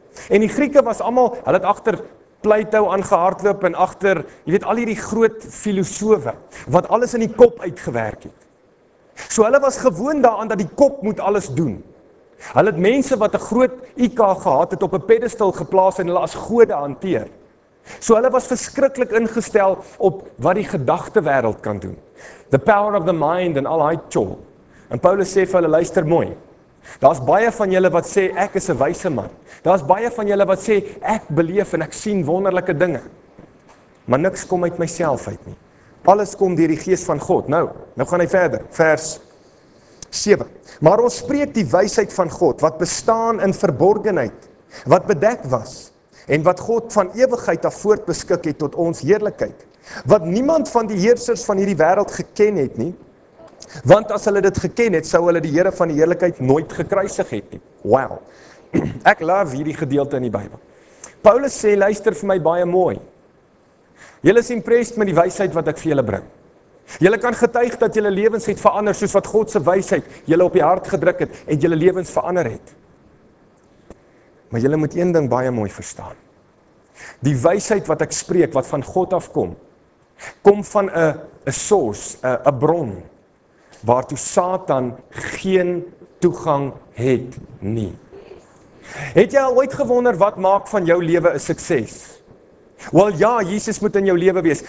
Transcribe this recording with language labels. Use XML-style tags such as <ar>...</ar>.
<af>En die Grieke was almal, hulle het agter Pleito aangehardloop en agter, jy weet, al hierdie groot filosowe wat alles in die kop uitgewerk het. So hulle was gewoon daaraan dat die kop moet alles doen. Hulle het mense wat 'n groot IQ gehad het op 'n pedestal geplaas en hulle as gode hanteer. So hulle was verskriklik ingestel op wat die gedagtewêreld kan doen.</af> <en>The power of the mind and all I chol.</en> <af>En Paulus sê vir hulle, luister mooi. Daar's baie van julle wat sê ek is 'n wyse man. Daar's baie van julle wat sê ek beleef en ek sien wonderlike dinge. Maar niks kom uit myself uit nie. Alles kom deur die gees van God. Nou gaan hy verder, vers 7. Maar ons spreek die wysheid van God wat bestaan in verborgenheid, wat bedek was en wat God van ewigheid af voortbeskik het tot ons heerlikheid, wat niemand van die heersers van hierdie wêreld geken het nie. Want as hulle dit geken het, sou hulle die Here van die heerlikheid nooit gekruisig het nie. Wow. Ek love hierdie gedeelte in die Bybel. Paulus sê, luister vir my baie mooi. Julle is impressed met die wysheid wat ek vir julle bring. Julle kan getuig dat julle lewens het verander soos wat God se wysheid julle op die hart gedruk het en julle lewens verander het. Maar julle moet een ding baie mooi verstaan. Die wysheid wat ek spreek, wat van God afkom, kom van 'n source, 'n bron, waartoe Satan geen toegang het nie. Het jy al ooit gewonder wat maak van jou lewe 'n sukses? Wel ja, Jesus moet in jou lewe wees.</af>